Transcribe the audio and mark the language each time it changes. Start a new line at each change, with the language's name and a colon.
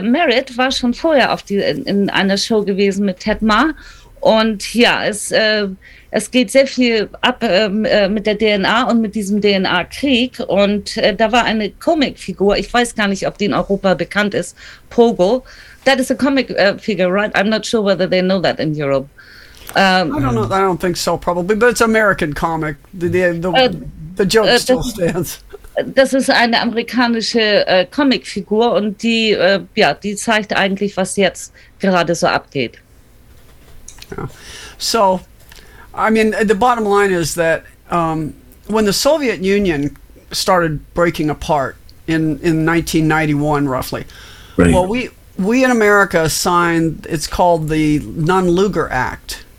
German: Merritt war schon vorher in einer Show gewesen mit Ted Ma. Und ja, es geht sehr viel ab mit der DNA und mit diesem DNA-Krieg. Und da war eine Comic-Figur, ich weiß gar nicht, ob die in Europa bekannt ist, Pogo.
English: That is a comic-Figur, right? I'm not sure whether they know that in Europe. I don't know. I don't think so, probably. But it's American comic. The joke still stands.
German: Das ist eine amerikanische Comicfigur, und die zeigt eigentlich, was jetzt gerade so abgeht.
English: Yeah. So, I mean, the bottom line is that when the Soviet Union started breaking apart in 1991, roughly, right. Well, we in America signed. It's called the Nunn-Lugar Act.